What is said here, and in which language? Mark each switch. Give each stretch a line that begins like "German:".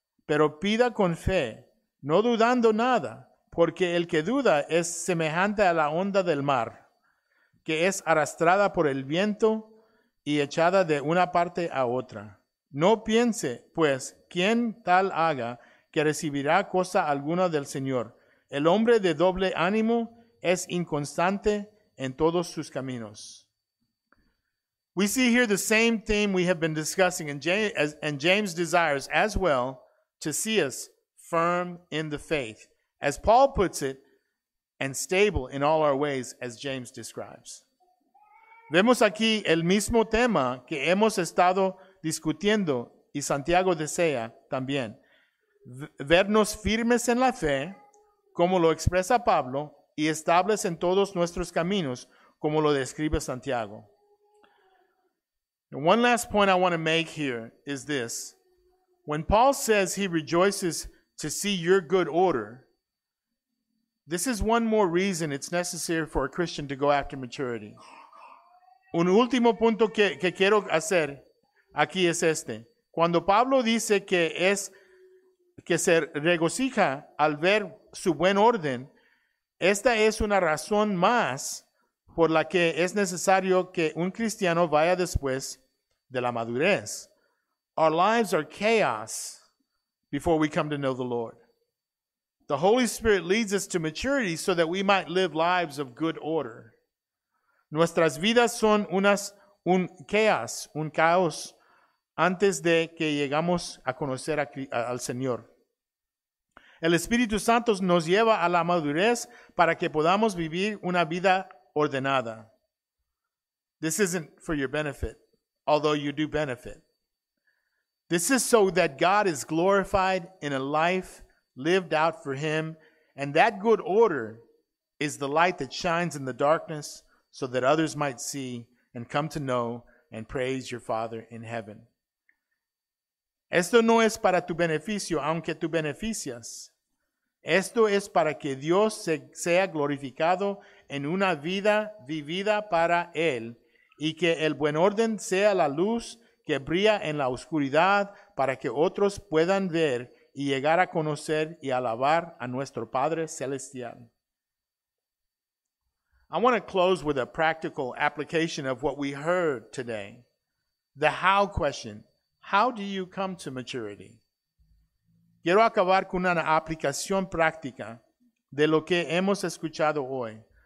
Spanish: Pero pida con fe, no dudando nada, porque el que duda es semejante a la onda del mar, que es arrastrada por el viento y echada de una parte a otra. No piense, pues, quien tal haga, que recibirá cosa alguna del Señor. El hombre de doble ánimo es inconstante en todos sus caminos.
English: We see here the same theme we have been discussing, and James desires as well to see us firm in the faith, as Paul puts it, and stable in all our ways, as James describes.
Spanish: Vemos aquí el mismo tema que hemos estado discutiendo, y Santiago desea también. Vernos firmes en la fe, como lo expresa Pablo, y estables en todos nuestros caminos, como lo describe Santiago.
English: One last point I want to make here is this. When Paul says he rejoices to see your good order, this is one more reason it's necessary for a Christian to go after maturity.
Spanish: Un último punto que quiero hacer aquí es este. Cuando Pablo dice que se regocija al ver su buen orden, esta es una razón más por la que es necesario que un cristiano vaya después de la madurez.
English: Our lives are chaos before we come to know the Lord. The Holy Spirit leads us to maturity so that we might live lives of good order.
Spanish: Nuestras vidas son un caos antes de que llegamos a conocer al Señor. El Espíritu Santo nos lleva a la madurez para que podamos vivir una vida ordenada.
English: This isn't for your benefit, although you do benefit. This is so that God is glorified in a life lived out for Him, and that good order is the light that shines in the darkness, so that others might see and come to know and praise your Father in heaven.
Spanish: Esto no es para tu beneficio, aunque tú beneficias. Esto es para que Dios sea glorificado en una vida vivida para Él, y que el buen orden sea la luz que brilla en la oscuridad para que otros puedan ver y llegar a conocer y alabar a nuestro Padre Celestial.
English: I want to close with a practical application of what we heard today. The how question. How do you come to maturity?
Spanish: Quiero acabar con una aplicación práctica de lo que hemos escuchado hoy.